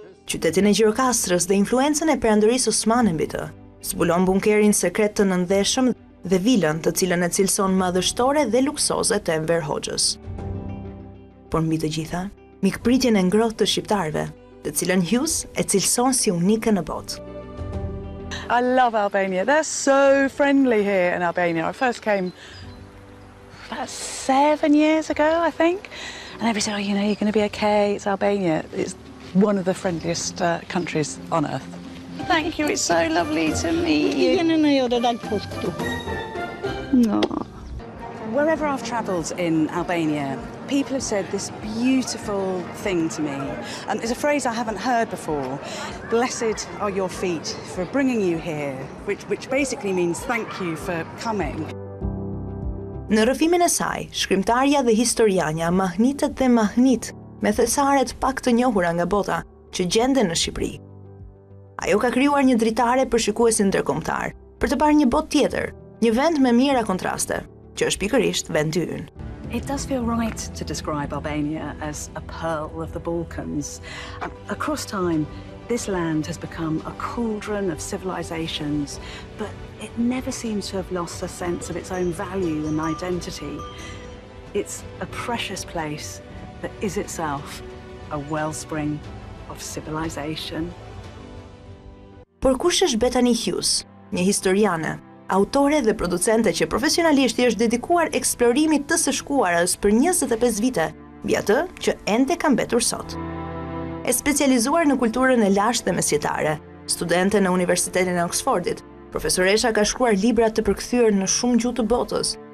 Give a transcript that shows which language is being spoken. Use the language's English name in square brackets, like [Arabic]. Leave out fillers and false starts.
[Albanian] Qytetin e Gjirokastrës dhe influencën e perandorisë Osmane mbi të, zbulon bunkerin sekret të nëndeshëm dhe vilën të cilën e cilëson madhështore dhe luksoze të Enver Hoxhës. Por mbi të gjitha, mikpritjen e ngrohtë të shqiptarve, të cilën Hughes e cilëson si unike në botë. [English] I love Albania. They're so friendly here in Albania. I first came about 7 years ago, I think. And everybody said, oh, you know, you're going to be okay. It's Albania. It's one of the friendliest countries on earth. Thank you. It's so lovely to meet you. [Albanian] Jeni në një dal postu. [English] No. Wherever I've traveled in Albania, people have said this beautiful thing to me, and it's a phrase I haven't heard before. Blessed are your feet for bringing you here, which basically means thank you for coming. [Albanian] Në rrëfimin e saj, shkrimtarja dhe historiana Mahnitet dhe Mahnit, me thesaret pak të njohura nga bota, që gjenden në Shqipëri. Ajo ka krijuar një dritare për shikuesin ndërkombëtar, për të parë një botë tjetër, një vend me mira kontraste, që është pikërisht vendi ynë. [English] It does feel right to describe Albania as a pearl of the Balkans. Across time, this land has become a cauldron of civilizations, but it never seems to have lost a sense of its own value and identity. It's a precious place that is itself a wellspring of civilization. [Albanian] Por kush është Bethany Hughes, një historiane, autore dhe producente që profesionalisht i është dedikuar eksplorimit të së shkuarës për 25 vite, mbi atë që ende ka mbetur sot. E specializuar në kulturën e lashtë dhe mesjetare, studente në Universitetin e Oxfordit, profesoresha ka shkruar libra të përkthyer në shumë gjuhë të botës.